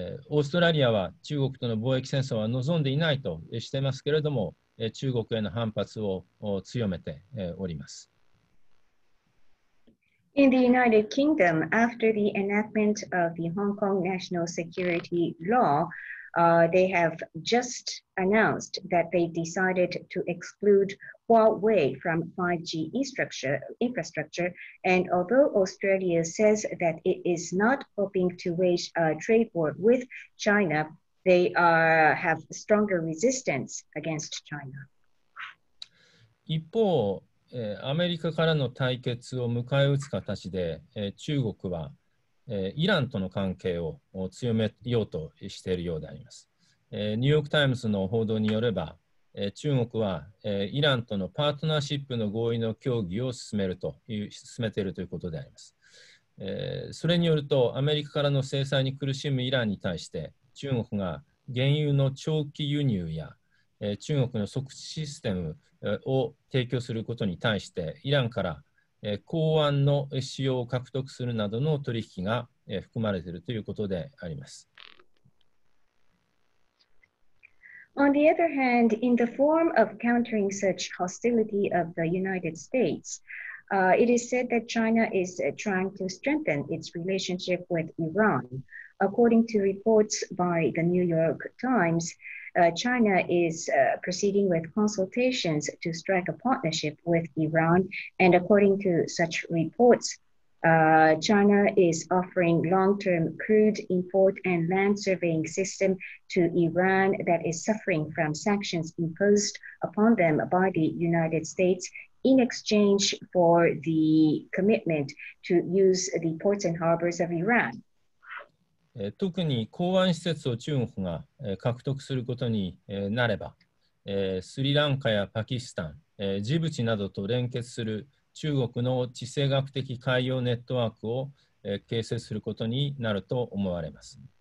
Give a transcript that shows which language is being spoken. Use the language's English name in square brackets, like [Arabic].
[Japanese] オーストラリアは中国との貿易戦争は望んでいないとしてますけれども中国への反発を強めております。 [English] In the United Kingdom, after the enactment of the Hong Kong National Security Law, they have just announced that they decided to excludeHuawei from 5G infrastructure, and although Australia says that it is not hoping to wage a trade war with China, they have stronger resistance against China. [Japanese] 一方、アメリカからの対決を迎え撃つ形で、中国は、イランとの関係を強めようとしているようであります。ニューヨークタイムズの報道によれば、中国はイランとのパートナーシップの合意の協議を進めているということであります。それによるとアメリカからの制裁に苦しむイランに対して中国が原油の長期輸入や中国の即時システムを提供することに対してイランから港湾の使用を獲得するなどの取引が含まれているということであります。 [English] On the other hand, in the form of countering such hostility of the United States, it is said that China is trying to strengthen its relationship with Iran. According to reports by the New York Times, China is proceeding with consultations to strike a partnership with Iran. And according to such reports, China is offering long-term crude import and land surveying system to Iran that is suffering from sanctions imposed upon them by the United States in exchange for the commitment to use the ports and harbors of Iran. [Japanese] 特に港湾施設を中国が獲得することになれば、スリランカやパキスタン、ジブチなどと連結する中国の地政学的海洋ネットワークを形成することになると思われます。